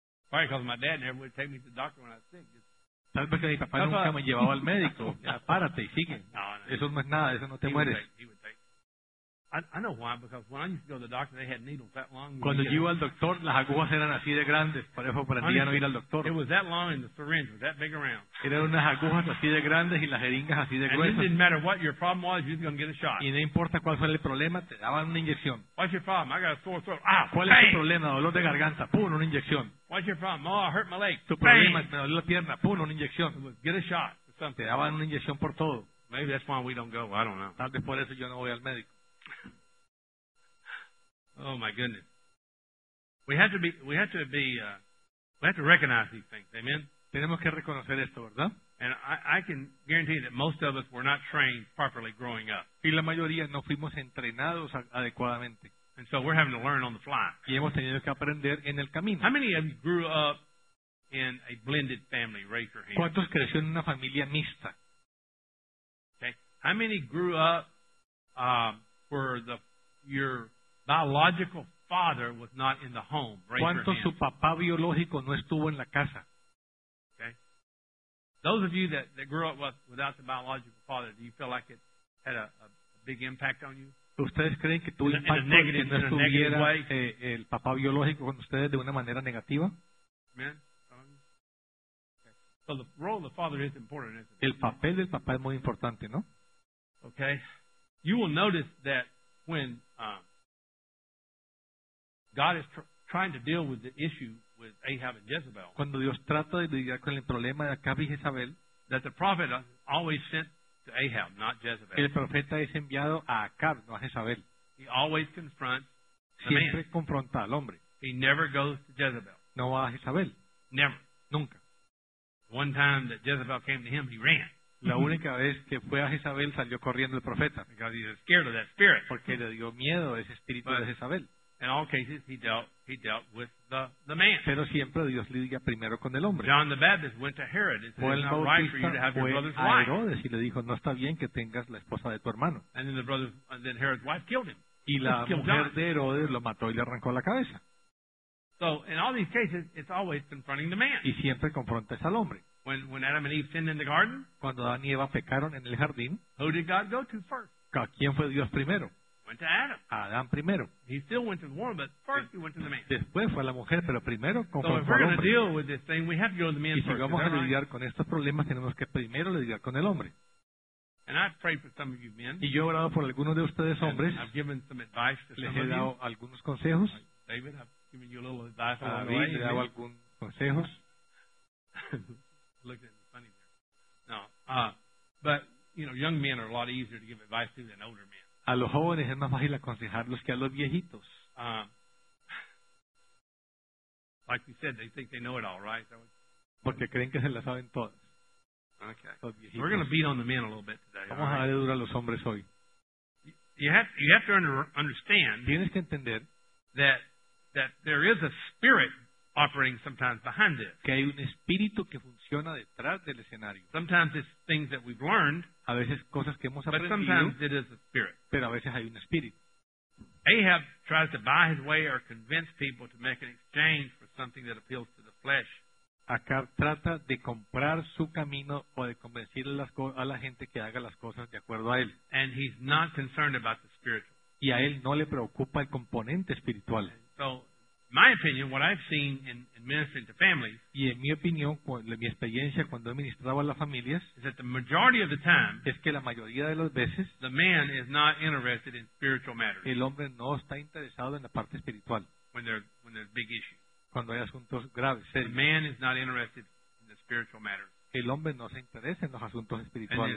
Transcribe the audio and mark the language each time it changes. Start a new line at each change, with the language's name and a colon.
English: Probably because my dad never would take me to the doctor when I was sick.
Spanish: Tal vez que mi papá nunca me llevaba al médico. Párate y sigue. No, eso no es nada. Eso no te mueres.
English: I know why, because when I used to go to the doctor, they had needles that long.
Spanish: Cuando yo iba al doctor, las agujas eran así de grandes. Por eso aprendí a no ir al doctor.
English: It was that long and the syringe was that big around.
Spanish: Eran unas agujas así de grandes y las jeringas así de gruesas.
English: And it didn't matter what your problem was, you were going to get a shot.
Spanish: Y no importa cuál fue el problema, te daban una inyección.
English: What's your problem? I got a sore throat. Ah,
Spanish: ¿cuál
English: bang!
Spanish: Es tu problema? Dolor de garganta. Pum, una inyección.
English: What's your problem? Oh, I hurt my leg.
Spanish: Tu problema
English: bang!
Spanish: Es me dolió la pierna. Pum, una inyección.
English: Get a shot. Something.
Spanish: Te daban una inyección por todo.
English: Maybe that's why we don't go. I don't know.
Spanish: Tal vez por eso yo no voy al médico.
English: Oh my goodness. We have to recognize these things. Amen.
Spanish: Tenemos que reconocer esto, ¿verdad?
English: And I can guarantee that most of us were not trained properly growing up.
Spanish: Y la mayoría no fuimos entrenados adecuadamente.
English: And so we're having to learn on the fly.
Spanish: Y hemos tenido que aprender en el camino.
English: How many of you grew up in a blended family? Raise your hand.
Spanish: ¿Cuántos creció en una familia mixta?
English: Okay. How many grew up where your biological father was not in the home? Raise
Spanish: ¿cuánto
English: your
Spanish: su papá biológico no estuvo en la casa?
English: Okay. Those of you that grew up without the biological father, do you feel like it had a big impact on you?
Spanish: ¿Ustedes creen que tuvo impacto
English: in a negative,
Spanish: que no estuviera el papá biológico con ustedes de una manera negativa?
English: Amen. Okay. So the role of the father is important, isn't it?
Spanish: El papel del papá es muy importante, ¿no?
English: Okay. You will notice that when God is trying to deal with the issue with Ahab and Jezebel,
Spanish: cuando Dios trata de lidiar con el problema de Acab y Jezabel,
English: that the prophet always sent to Ahab, not Jezebel.
Spanish: El profeta es enviado a Acab, no a Jezabel.
English: He always confronts the
Spanish: siempre
English: man.
Spanish: Siempre confronta al hombre.
English: He never goes to Jezebel.
Spanish: No va a Jezabel.
English: Never.
Spanish: Nunca.
English: One time that Jezebel came to him, he ran.
Spanish: La única vez que fue a Jezabel salió corriendo el profeta.
English: Because he was scared of that spirit.
Spanish: Porque le dio miedo a ese espíritu
English: but
Spanish: de Jezabel.
English: In all cases, he dealt with the man.
Spanish: Pero siempre Dios lidia primero con el hombre.
English: John the Baptist went to Herod and said, it's not right for you to have your brother's wife.
Spanish: A Herodes y le dijo, no está bien que tengas la esposa de tu hermano.
English: And then, then Herod's wife killed him.
Spanish: Y la mujer de Herodes lo mató y le arrancó la cabeza.
English: So in all these cases, it's always confronting the man.
Spanish: Y siempre confronta al hombre.
English: When Adam and Eve sinned in the garden,
Spanish: cuando Adán y Eva pecaron en el jardín,
English: who did God go to first?
Spanish: ¿A quién fue Dios primero?
English: Went to Adam.
Spanish: Adán primero.
English: He still went to the woman, but first he went to the man.
Spanish: Después fue a la mujer, pero primero confrontó al hombre.
English: So if we're going to deal with this thing, we have to go to the man first.
Spanish: Y si vamos a lidiar con estos problemas, tenemos que primero lidiar con el hombre.
English: And I've prayed for some of you men.
Spanish: Y yo he orado por algunos de ustedes hombres.
English: I've given some advice to
Spanish: les
English: some of you.
Spanish: Les he dado algunos consejos.
English: Like David, I've given you a little advice.
Spanish: A David, he dado algunos consejos.
English: Looked at me funny there. No, but you know, young men are a lot easier to give advice to than older men.
Spanish: A los jóvenes es más fácil aconsejarlos que a los viejitos.
English: Like you said, they think they know it all, right?
Spanish: Porque creen que se la saben todas.
English: Okay. So we're going to beat on the men a little bit today.
Spanish: Vamos
English: right?
Spanish: a darle duro a los hombres hoy.
English: You have to understand.
Spanish: Tienes que entender
English: that there is a spirit operating sometimes behind this.
Spanish: Que hay un espíritu que funciona detrás del escenario.
English: Sometimes it's things that we've learned,
Spanish: a veces cosas que hemos
English: but
Spanish: aprendido,
English: sometimes it is a spirit.
Spanish: Pero a veces hay un espíritu.
English: Ahab tries to buy his way or convince people to make an exchange for something that appeals to the flesh.
Spanish: Acab trata de comprar su camino o de convencer a la gente que haga las cosas de acuerdo a él.
English: And he's not concerned about the spiritual.
Spanish: Y a él no le preocupa el componente espiritual.
English: So, my opinion, what I've seen in ministering to families,
Spanish: y en mi opinión, mi experiencia cuando he ministrado a las familias,
English: is that the majority of the time,
Spanish: es que la mayoría de las veces,
English: the man is not interested in spiritual matters.
Spanish: El hombre no está interesado en la parte espiritual.
English: When there's big issues.
Spanish: Cuando hay asuntos graves, serios.
English: The man is not interested in the spiritual matters.
Spanish: El hombre no se interesa en los asuntos espirituales.